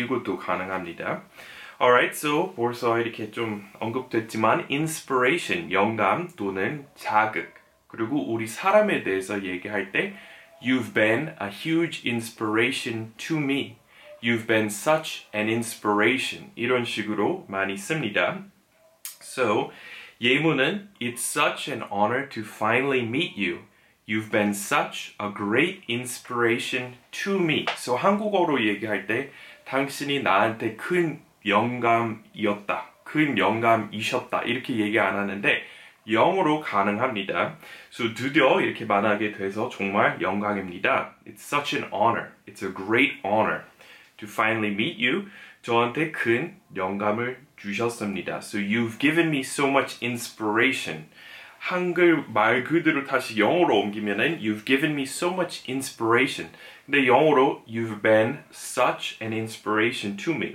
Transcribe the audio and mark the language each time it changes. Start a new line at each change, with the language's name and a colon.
Korean: 이것도 가능합니다.
English: Alright, so
Korean: 벌써 이렇게 좀 언급됐지만 inspiration, 영감 또는 자극. 그리고 우리 사람에 대해서 얘기할 때
English: You've been a huge inspiration to me. You've been such an inspiration.
Korean: 이런 식으로 많이 씁니다.
English: So,
Korean: 예문은
English: It's such an honor to finally meet you. You've been such a great inspiration to me.
Korean: So, 한국어로 얘기할 때 당신이 나한테 큰 영감이었다. 큰 영감이셨다. 이렇게 얘기 안 하는데 영어로 가능합니다. So, 드디어 이렇게 만나게 돼서 정말 영광입니다.
English: It's such an honor. It's a great honor to finally meet you.
Korean: 저한테 큰 영감을 주셨습니다.
English: So, you've given me so much inspiration.
Korean: 한글 말 그대로 다시 영어로 옮기면은
English: You've given me so much inspiration.
Korean: 근데 영어로
English: You've been such an inspiration to me.